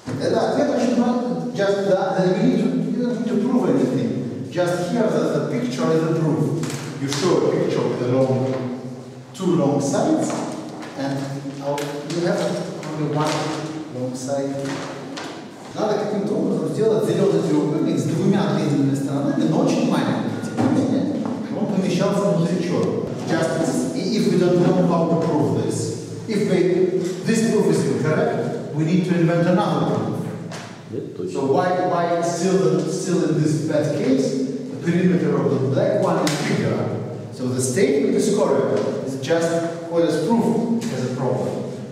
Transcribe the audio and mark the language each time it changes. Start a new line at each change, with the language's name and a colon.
Russian: Да, ответ очень мал.
English: Just that, you don't need to prove anything. Just here that the picture is a proof. You show a picture of the long, two long sides, and you have only one long side.
Russian: Надо каким-то образом сделать зеленый треугольник с двумя длинными сторонами, но очень маленький. Он помещался внутри черного.
English: Just if we don't know how to prove this, if this proof is incorrect, we need to invent another proof.
Russian: Нет, точно.
English: So why still in this bad case, the perimeter of the black one is bigger. So the statement is correct. It's just what is proved as a problem.